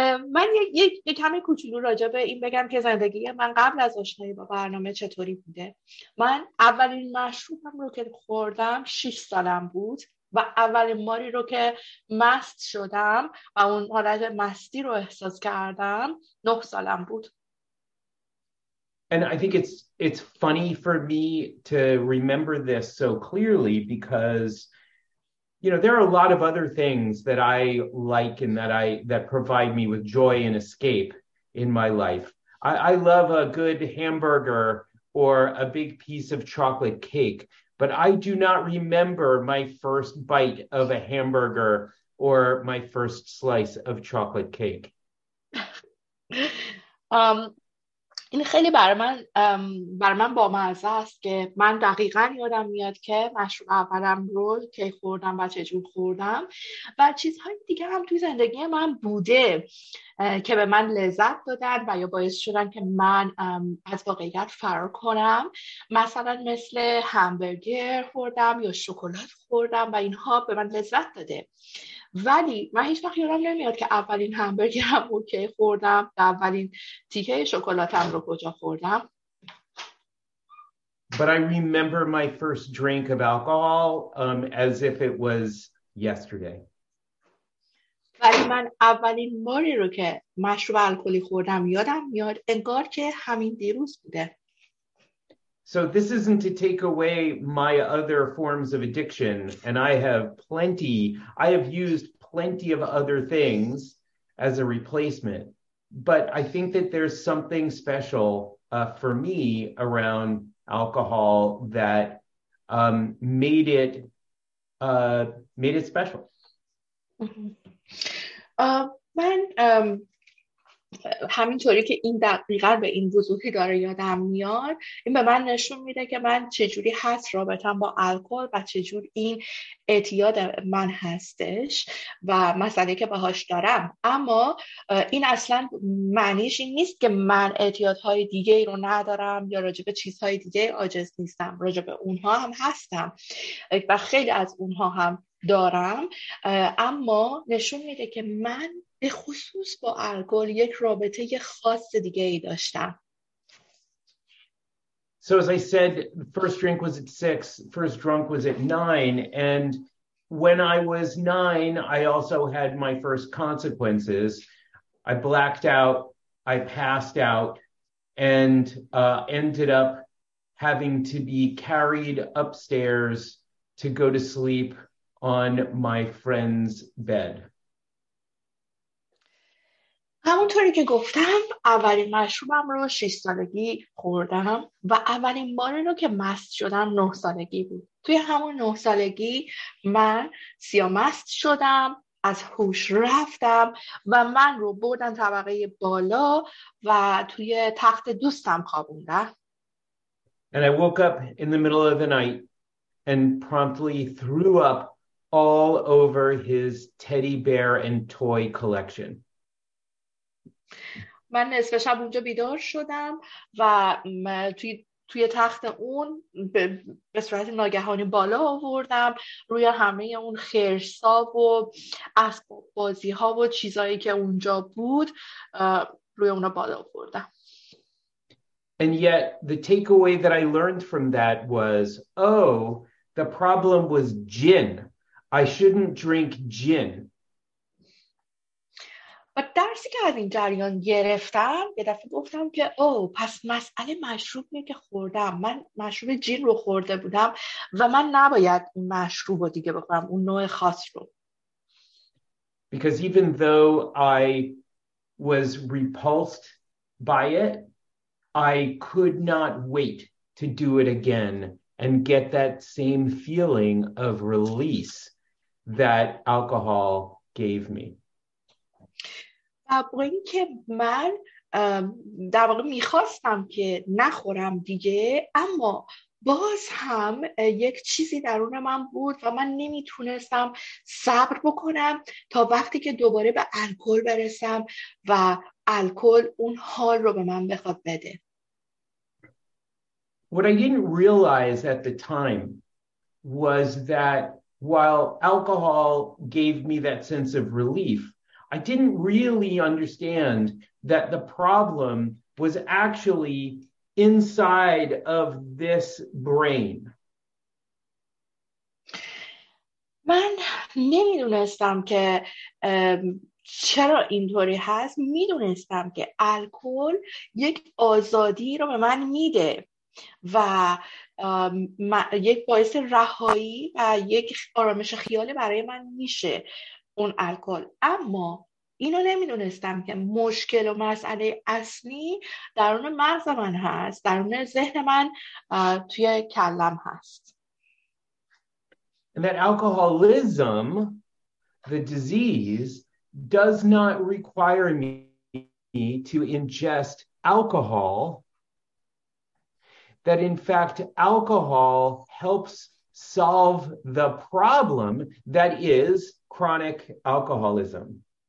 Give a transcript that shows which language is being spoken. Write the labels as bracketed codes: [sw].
[fa] من یه کمی کوچولو راجع به این بگم که زندگی من قبل از آشنایی با برنامه چطوری بوده. من اولین مشروبم رو که خوردم 6 سالم بود، و اولین ماری رو که مست شدم و اون حالت مستی رو احساس کردم 9 سالم بود. [en] And I think it's funny for me to remember this so clearly because, you know, there are a lot of other things that I like and that provide me with joy and escape in my life. I love a good hamburger or a big piece of chocolate cake, but I do not remember my first bite of a hamburger or my first slice of chocolate cake. [fa] این خیلی برای من بامزه است که من دقیقا یادم میاد که مشروب اولم رو کی خوردم و چجور خوردم، و چیزهای دیگه هم توی زندگی من بوده که به من لذت دادن و یا باعث شدن که من از واقعیت فرار کنم، مثلا مثل همبرگر خوردم یا شکلات خوردم و اینها به من لذت داده، ولی من هیچ وقت یادم نمیاد که اولین همبرگرم رو کی خوردم، اولین تیکه شکلاتم رو کجا خوردم. [en] But I remember my first drink of alcohol as if it was yesterday. [fa] ولی من اولین باری رو که مشروب الکلی خوردم یادم میاد انگار که همین دیروز بوده. [en] So this isn't to take away my other forms of addiction, and I have used plenty of other things as a replacement, but I think that there's something special for me around alcohol that made it made it special. [fa] من همینطوری که این دقیقا به این وضوحی داره یادم میاد، این به من نشون میده که من چجوری هست رابطم با الکل و چجور این اعتیاد من هستش و مسئله که باهاش دارم. اما این اصلا معنیش این نیست که من اعتیادهای دیگه ای رو ندارم یا راجع به چیزهای دیگه عاجز نیستم، راجع به اونها هم هستم و خیلی از اونها هم دارم، اما نشون میده که من به خصوص با الکل یک رابطه خاص دیگه ای داشتم. [en] So as I said, first drink was at 6, first drunk was at 9, and when I was 9, I also had my first consequences. I blacked out, I passed out, and ended up having to be carried upstairs to go to sleep on my friend's bed. [fa] همونطوری که گفتم، اولین مشروبم رو 6 سالگی خوردم و اولین بار رو که مست شدم 9 سالگی بود. توی همون 9 سالگی من سیامست شدم، از هوش رفتم و من رو بردن طبقه بالا و توی تخت دوستم خوابوندن. [en] And I woke up in the middle of the night and promptly threw up all over his teddy bear and toy collection. [fa] من نصف شب اونجا بیدار شدم و توی تخت اون به صورت ناگهانی بالا آوردم روی همه اون خرسا و اسباب بازی ها و چیزایی که اونجا بود روی اونا بالا آوردم. [en] And yet the takeaway that I learned from that was, oh, the problem was gin. I shouldn't drink gin. [fa] و درسی که از این جریان گرفتم، یه دفعه گفتم که پس مسئله مشروبی که خوردم، من مشروب جین رو خورده بودم و من نباید اون مشروب رو دیگه بخورم، اون نوع خاص رو. [en] Because even though I was repulsed by it, I could not wait to do it again and get that same feeling of release that alcohol gave me. [fa] با این که من در واقع میخواستم که نخورم دیگه، اما باز هم یک چیزی درون من بود و من نمیتونستم صبر بکنم تا وقتی که دوباره به الکل برسم و الکل اون حال رو به من بخواد بده. [en] What I didn't realize at the time was that while alcohol gave me that sense of relief, I didn't really understand that the problem was actually inside of this brain. [fa] من نمیدونستم که چرا اینطوری هست. میدونستم که الکل یک آزادی رو به من میده و یک باعث رهایی و یک آرامش خیالی برای من میشه اون الکل، اما اینو نمیدونستم که مشکل و مسئله اصلی درون مغز من هست، درون ذهن من، توی کلم هست. [en] And that alcoholism, the disease, does not require me to ingest alcohol. That in fact alcohol helps solve the problem that is chronic alcoholism.